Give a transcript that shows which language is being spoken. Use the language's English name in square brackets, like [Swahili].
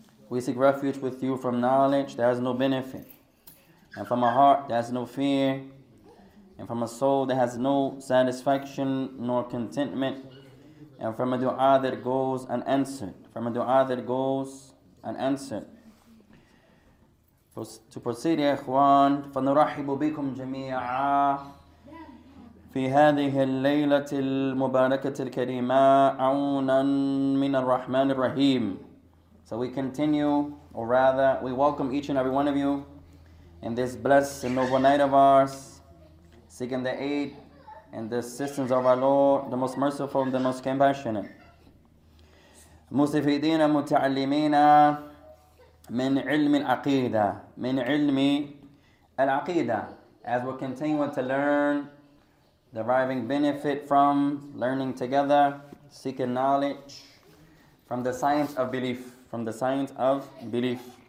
[English] we seek refuge with you from knowledge that has no benefit, and from a heart that has no fear, and from a soul that has no satisfaction nor contentment, and from a dua that goes unanswered, from a dua that goes unanswered. To proceed, [Arabic] ya ikhwan, فَنُرَحِبُ بِكُمْ جَمِيعًا في هذه الليلة المباركة الكريمة عونا من الرحمن الرحيم. [English] So we continue, or rather, we welcome each and every one of you in this blessed and noble night of ours, seeking the aid and the assistance of our Lord, the most merciful and the most compassionate. [Arabic] مستفيدين متعلمين من علم العقيدة [English] من علم العقيدة As we continue to learn deriving benefit from learning together, seeking knowledge from the science of belief, from the science of belief.